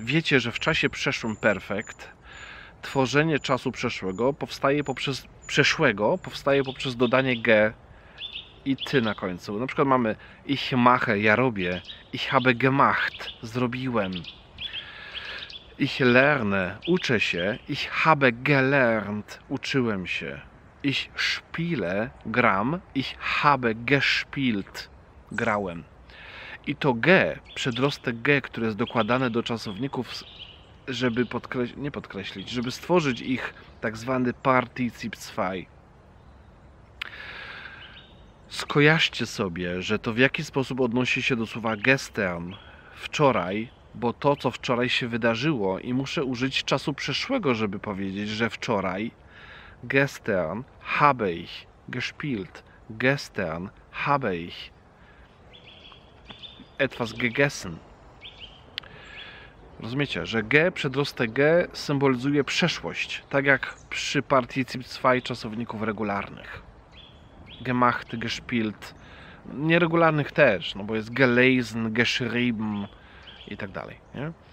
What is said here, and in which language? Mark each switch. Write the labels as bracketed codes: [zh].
[pl] Wiecie, że w czasie przeszłym perfekt tworzenie czasu przeszłego powstaje poprzez dodanie G i ty na końcu. Na przykład mamy [de] ich mache, [pl] ja robię, [de] ich habe gemacht, [pl] zrobiłem, [de] ich lerne, [pl] uczę się, [de] ich habe gelernt, [pl] uczyłem się. [de] Ich spiele, [pl] gram, [de] ich habe gespielt, [pl] grałem. I to G, przedrostek G, które jest dokładane do czasowników, żeby żeby stworzyć ich tak zwany particip 2. Skojarzcie sobie, że to w jaki sposób odnosi się do słowa gestern, wczoraj, bo to, co wczoraj się wydarzyło, i muszę użyć czasu przeszłego, żeby powiedzieć, że wczoraj. [de] Gestern habe ich gespielt. Gestern habe ich etwas gegessen. [pl] Rozumiecie, że G, przedrostek G symbolizuje przeszłość. Tak jak przy particip 2 czasowników regularnych. [de] Gemacht, gespielt. [pl] Nieregularnych też, no bo jest [de] gelesen, geschrieben [pl] i tak dalej. Nie?